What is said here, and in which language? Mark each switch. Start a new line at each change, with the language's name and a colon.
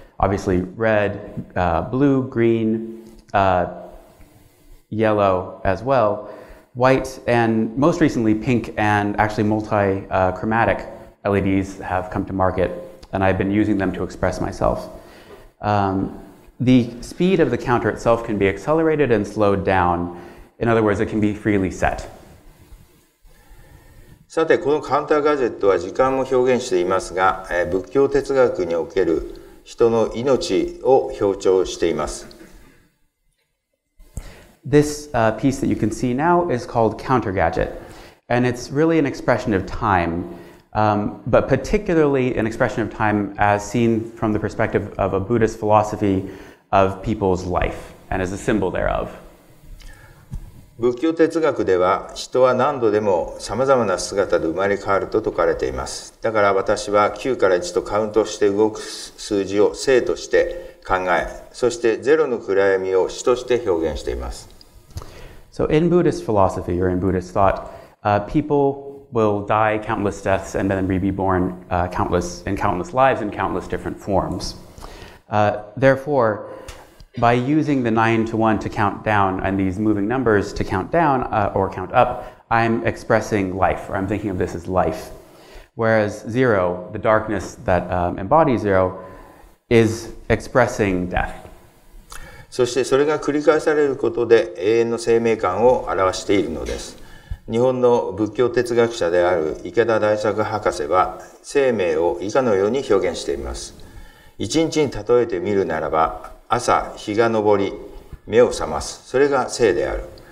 English: Obviously, red,、blue, green,、yellow as well, white, and most recently pink, and actually multi-chromatic LEDs have come to market, and I've been using them to express myself.、the speed of the counter itself can be accelerated and slowed down. In other words, it can be freely set.
Japanese: さて、このカウンターガジェットは時間も表現していますが、仏教哲学における人の命を表彰しています。
English: This、piece that you can see now is called Counter Gadget, and it's really an expression of time,、but particularly an expression of time as seen from the perspective of a Buddhist philosophy of people's life and as a symbol thereof.
Japanese: 仏教哲学では人は何度でも様々な姿で生まれ変わると説かれています。だから私は9から1とカウントして動く数字を生として考え、そして0の暗闇を死として表現しています。
English: So in Buddhist philosophy or in Buddhist thought、people will die countless deaths and then be reborn、countless lives in countless different forms、therefore By using the 9 to 1 to count down and these moving numbers to count down、or count up, I'm expressing life, or I'm thinking of this as life. Whereas 0, the darkness that、embodies 0, is expressing death.
Japanese: そしてそれが繰り返されることで永遠の生命感を表しているのです。日本の仏教哲学者である池田大作博士は生命を以下のように表現しています。一日に例えてみるならば、朝日が昇り目を覚ます、それが生である。